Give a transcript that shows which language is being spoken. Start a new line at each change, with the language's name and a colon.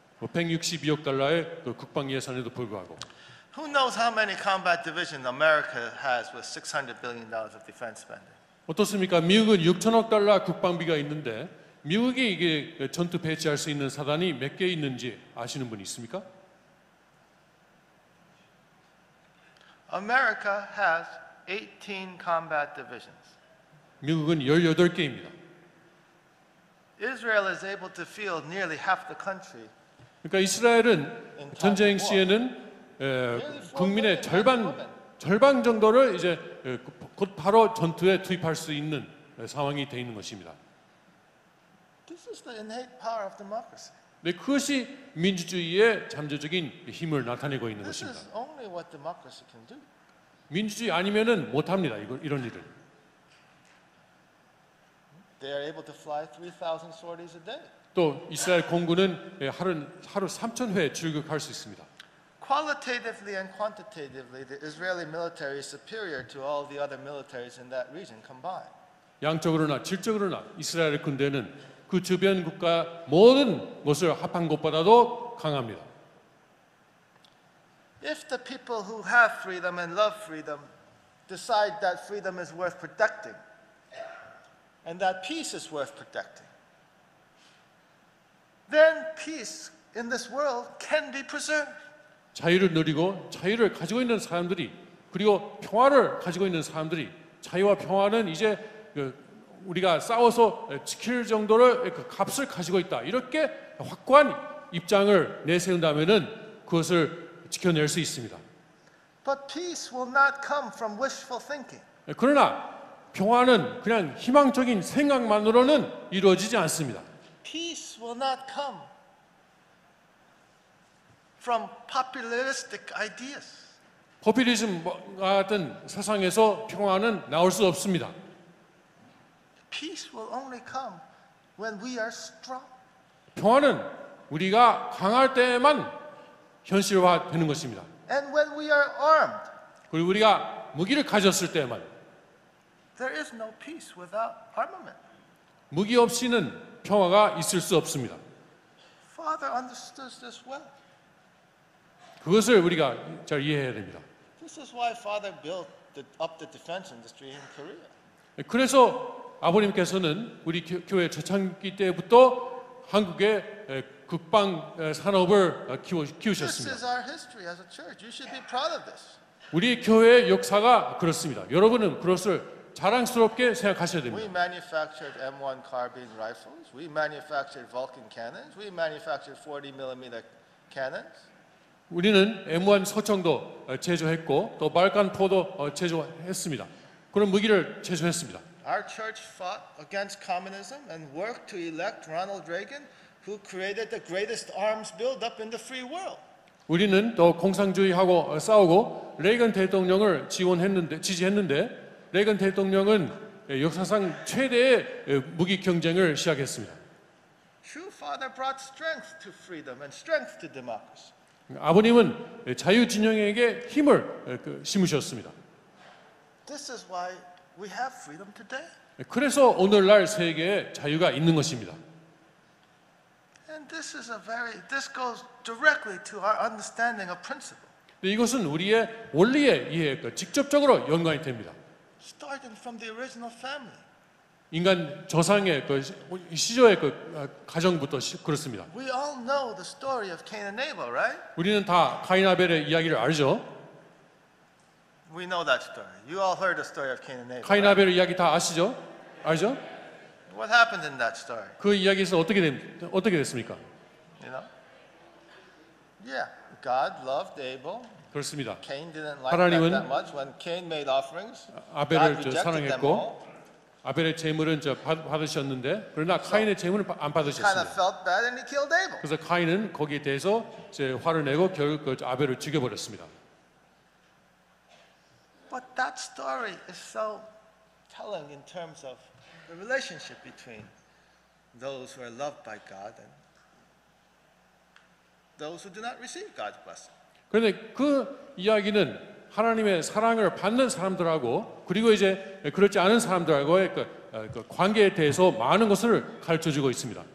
Korean: 162억 달러의 그 국방 예산에도 불구하고.
English: Who knows how many combat divisions America has with 600 billion dollars of defense spending?
Korean: 어떻습니까? 미국은 6천억 달러 국방비가 있는데 미국이 이게 전투 배치할 수 있는 사단이 몇 개 있는지 아시는 분 있습니까?
English: America has 18 combat divisions.
Korean: 미국은 18개입니다.
English: Israel is able to field nearly half the country.
Korean: 그러니까 이스라엘은 전쟁 시에는 국민의 절반 정도를 이제 곧 바로 전투에 투입할 수 있는 상황이 되어 있는 것입니다.
English: This is the innate power of democracy.
Korean: 네, 그것이 민주주의의 잠재적인 힘을 나타내고 있는
English: This
Korean: 것입니다.
English: This is only what democracy can do.
Korean: 민주주의 아니면은 못합니다. 이런 일을.
English: They are able to fly 3,000 sorties a day.
Korean: 또 이스라엘 공군은 하루 3,000회 출격할 수 있습니다.
English: Qualitatively and quantitatively, the Israeli military is superior to all the other militaries in that region combined.
Korean: 양적으로나 질적으로나 이스라엘 군대는 그 주변 국가 모든 것을 합한 것보다도 강합니다.
English: If the people who have freedom and love freedom decide that freedom is worth protecting and that peace is worth protecting, then peace in this world can be preserved.
Korean: 자유를 누리고 자유를 가지고 있는 사람들이 그리고 평화를 가지고 있는 사람들이 자유와 평화는 이제 그 우리가 싸워서 지킬 정도로 그 값을 가지고 있다. 이렇게 확고한 입장을 내세운다면은 그것을 지켜낼 수 있습니다.
English: But peace will not come from wishful thinking.
Korean: 그러나 평화는 그냥 희망적인 생각만으로는 이루어지지 않습니다.
English: Peace will not come from populistic ideas.
Korean: 포퓰리즘 같은 세상에서 평화는 나올 수 없습니다.
English: Peace will only come when we are strong.
Korean: 평화는 우리가 강할 때에만 현실화되는 것입니다.
English: And when we are armed.
Korean: 그리고 우리가 무기를 가졌을 때에만.
English: There is no peace without armament.
Korean: 무기 없이는 평화가 있을 수 없습니다.
English: Father understood this well.
Korean: 그것을 우리가 잘 이해해야 됩니다.
English: This is why Father built up the defense industry in Korea.
Korean: 그래서 아버님께서는 우리 교회 초창기 때부터 한국의 국방 산업을 키우셨습니다.
English: This is our history as a church. You should be proud of this.
Korean: 우리 교회의 역사가 그렇습니다. 여러분은 그것을 자랑스럽게 생각하셔야 됩니다.
English: We manufactured M1 carbine rifles. We manufactured Vulcan cannons. We manufactured 40mm cannons.
Korean: 우리는 M1 소총도 제조했고 또 발칸포도 제조했습니다. 그런 무기를 제조했습니다.
English: Our church fought against communism and worked to elect Ronald Reagan, who created the greatest arms buildup in the free world.
Korean: 우리는 또 공산주의하고 싸우고 레이건 대통령을 지지했는데 레이건 대통령은 역사상 최대의 무기 경쟁을 시작했습니다.
English: True father brought strength to freedom and strength to democracy.
Korean: 아버님은 자유 진영에게 힘을 심으셨습니다.
English: This is why we have freedom today.
Korean: 그래서 오늘날 세계에 자유가 있는 것입니다.
English: And this is a very this goes directly to our understanding of principle.
Korean: 이것은 우리의 원리에 이해 직접적으로 연관이 됩니다.
English: Starting from the original family.
Korean: 인간 조상의 그 시조의 그 가정부터 그렇습니다.
English: We all know the story of Cain and Abel, right?
Korean: 우리는 다 가인 아벨의 이야기를 알죠.
English: We know that story. You all heard the story of Cain and Abel.
Korean: 가인 아벨의 이야기 다 아시죠? 알죠?
English: What happened in that story?
Korean: 그 이야기에서 어떻게 됐습니까?
English: You know? Yeah, God loved Abel.
Korean: 그렇습니다.
English: Cain didn't like that much when Cain made offerings.
Korean: 아벨을 사랑했고 아벨의 제물은 받으셨는데 그러나 카인의 제물을 안 받으셨습니다. 그래서 카인은 거기에 대해서 화를 내고 결국 아벨을 죽여버렸습니다.
English: But that story is so telling in terms of the relationship between those who are loved by God and those who do not receive God's blessing.
Korean: 그런데 그 이야기는 하나님의 사랑을 받는 사람들하고 그리고 이제 그렇지 않은 사람들하고의 그 관계에 대해서 많은 것을 가르쳐 주고 있습니다.